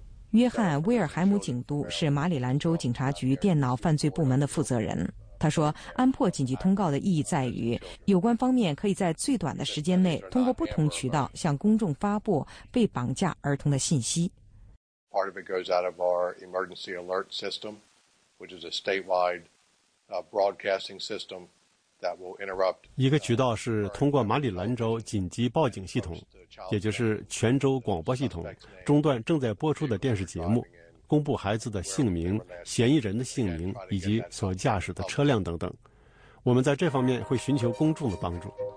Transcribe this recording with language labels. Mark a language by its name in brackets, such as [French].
[Chinese] 约翰·威尔海姆警督是马里兰州警察局电脑犯罪部门的负责人。他说，安珀紧急通告的意义在于，有关方面可以在最短的时间内通过不同渠道向公众发布被绑架儿童的信息。 [English] Part of it goes out of our emergency alert system, which is a statewide broadcasting system that will interrupt. [Chinese] 一个渠道是通过马里兰州紧急报警系统，也就是全州广播系统，中断正在播出的电视节目，公布孩子的姓名、嫌疑人的姓名以及所驾驶的车辆等等。我们在这方面会寻求公众的帮助。